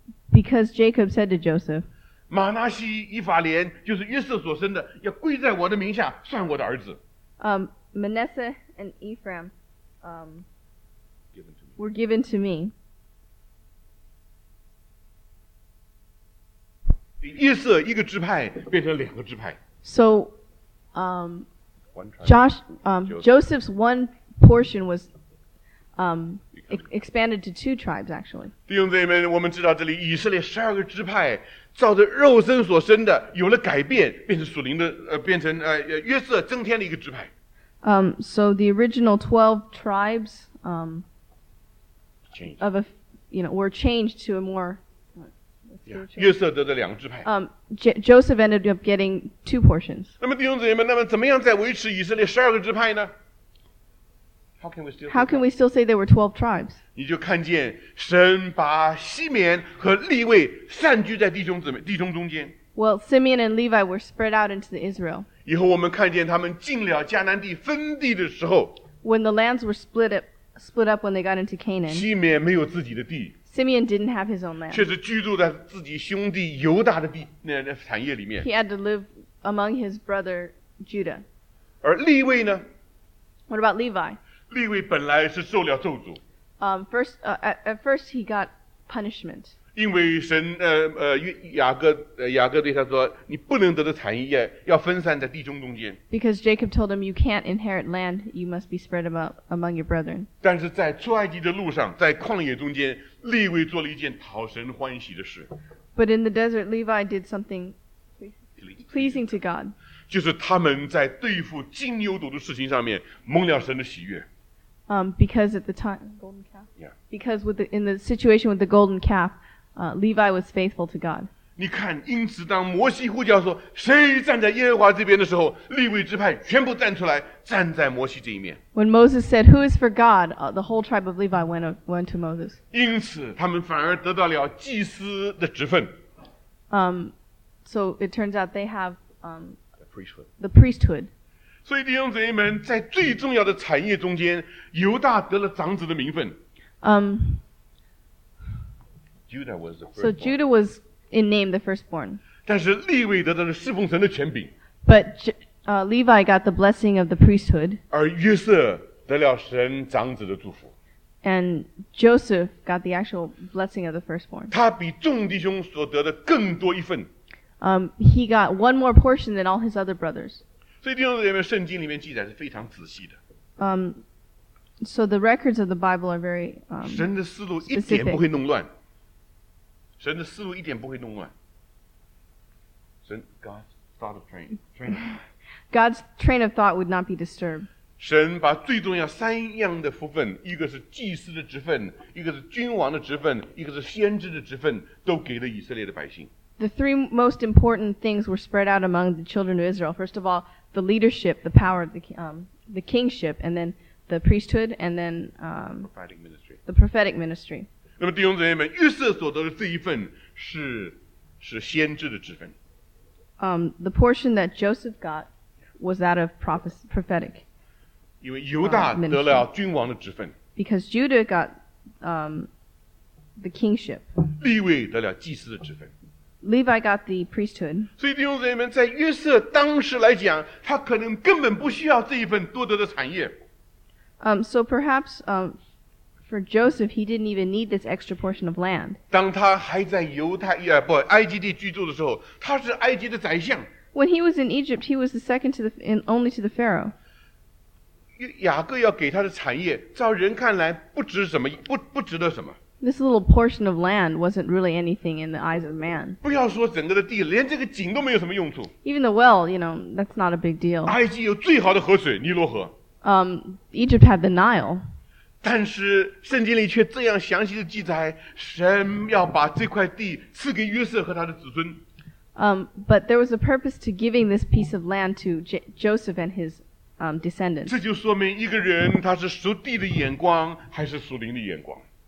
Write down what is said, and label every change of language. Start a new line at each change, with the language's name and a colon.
English: Because Jacob said to Joseph,
Chinese: 马拿西以法莲就是约瑟所生的要归在我的名下算我的儿子。
English: Manasseh and Ephraim were given to me.
Chinese: 约瑟一个支派变成两个支派。
English: So, Joseph's one portion was expanded to two tribes, actually.
Chinese: 弟兄姊妹，我们知道这里以色列十二个支派照着肉身所生的有了改变，变成属灵的，变成约瑟增添了一个支派。
English: So the original 12 tribes of a, you know, were changed to a more
Chinese: 约瑟得了两个支派。
English: Joseph ended up getting two portions.
Chinese: 那么弟兄姊妹们，那么怎么样再维持以色列十二个支派呢？
English: How can we still say there were 12 tribes?
Chinese: 你就看见神把西缅和利未散居在弟兄中间。
English: Well, Simeon and Levi were spread out into the Israel.
Chinese: 以后我们看见他们进了迦南地分地的时候。
English: When the lands were split up when they got into Canaan.
Chinese: 西缅没有自己的地。
English: Simeon didn't have his own land.
Chinese: 却是居住在自己兄弟犹大的地那产业里面。
English: He had to live among his brother Judah.
Chinese: 而利未呢？
English: What about Levi?
Chinese: 利未本来是受了咒诅。
English: At first he got punishment.
Chinese: 因为神雅各对他说，你不能得到产业，要分散在弟兄中间。
English: Because Jacob told him, you can't inherit land, you must be spread among your brethren.
Chinese: 但是在出埃及的路上，在旷野中间。利未做了一件讨神欢喜的事。
English: But in the desert, Levi did something pleasing to God.
Chinese: 就是他们在对付金牛犊的事情上面蒙了神的喜悦。
English: Because at the time, golden calf. Yeah. Because in the situation with the golden calf, Levi was faithful to God.
Chinese: 你看，因此当摩西呼叫说谁站在耶和华这边的时候，利未支派全部站出来，站在摩西这一面。
English: When Moses said, "Who is for God?" The whole tribe of Levi went to Moses.
Chinese: 因此，他们反而得到了祭司的职分。
English: So it turns out they have the priesthood.
Chinese: 所以弟兄姊妹们，在最重要的产业中间，犹大得了长子的名分。
English: Judah was the firstborn. So Judah was in name the firstborn.
Chinese: 但是利未得到了侍奉神的权柄。
English: But Levi got the blessing of the priesthood.
Chinese: 而约瑟得了神长子的祝福。
English: And Joseph got the actual blessing of the firstborn.
Chinese: 他比众弟兄所得的更多一份。
English: He got one more portion than all his other brothers.
Chinese: 所以弟兄姊妹们，圣经里面记载是非常仔细的。
English: So the records of the Bible are very specific.
Chinese: 神的思路一点不会弄乱。神的思路一点不会弄乱。
English: 神 God's thought of train. God's train of thought would not be disturbed.
Chinese: 神把最重要三样的福分，一个是祭司的职分，一个是君王的职分，一个是先知的职分，都给了以色列的百姓。
English: The three most important things were spread out among the children of Israel. First of all, the leadership, the power, the kingship, and then the priesthood, and then the prophetic ministry.
Chinese: 那么弟兄姊妹们，约瑟所得的这一份是先知的职分。
English: The portion that Joseph got was that of prophetic.
Chinese: 因为犹大得了君王的职分。
English: Because Judah got the kingship.
Chinese: 利未得了祭司的职分。
English: Levi got the priesthood.
Chinese: 所以弟兄姊妹们，在约瑟当时来讲，他可能根本不需要这一份多得的产业。
English: So perhaps for Joseph, he didn't even need this extra portion of land.
Chinese: 当他还在犹太啊不埃及地居住的时候，他是埃及的宰相。
English: When he was in Egypt, he was the second to the in only to the Pharaoh.
Chinese: 雅各要给他的产业，照人看来不值什么，不值得什么。
English: This little portion of land wasn't really anything in the eyes of man.
Chinese: 不要说整个的地，连这个井都没有什么用处。
English: Even the well, you know, that's not a big deal.
Chinese: 埃及有最好的河水，尼罗河。
English: Egypt had the Nile.
Chinese: 但是圣经里却这样详细的记载，神要把这块地赐给约瑟和他的子孙。
English: But there was a purpose to giving this piece of land to Joseph and his descendants.
Chinese: 这就说明一个人他是属地的眼光还是属灵的眼光。